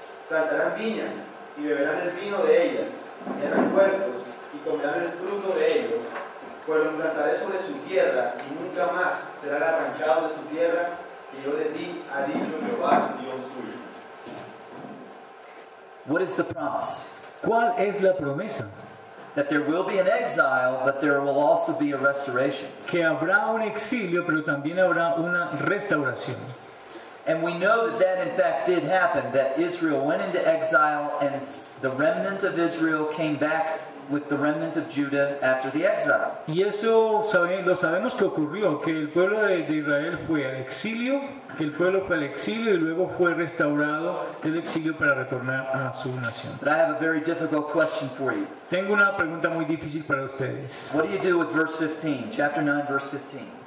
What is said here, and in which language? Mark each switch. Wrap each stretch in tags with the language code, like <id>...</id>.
<es>Plantarán viñas, y beberán el vino de ellas, y harán huertos, y comerán el fruto de ellos. Pues lo implantaré sobre su tierra, y nunca más será arrancado de su tierra, y yo le di, ha dicho Jehová, Dios tuyo.</es> <en>What is the promise?</en> <es>¿Cuál es la promesa?</es> <en>That there will be an exile, but there will also be a restoration.</en> <es>Que habrá un exilio, pero también habrá una restauración.</es> <en>And we know that that in fact did happen, that Israel went into exile and the remnant of Israel came back with the remnant of Judah after the exile.</en> <es>Y eso lo sabemos que ocurrió, que el pueblo de Israel fue al exilio, que el pueblo fue al exilio y luego fue restaurado del exilio para retornar a su nación.</es> <en>But I have a very difficult question for you.</en> <es>Tengo una pregunta muy difícil para ustedes.</es> <en>What do you do with verse 15, chapter 9, verse 15?</en>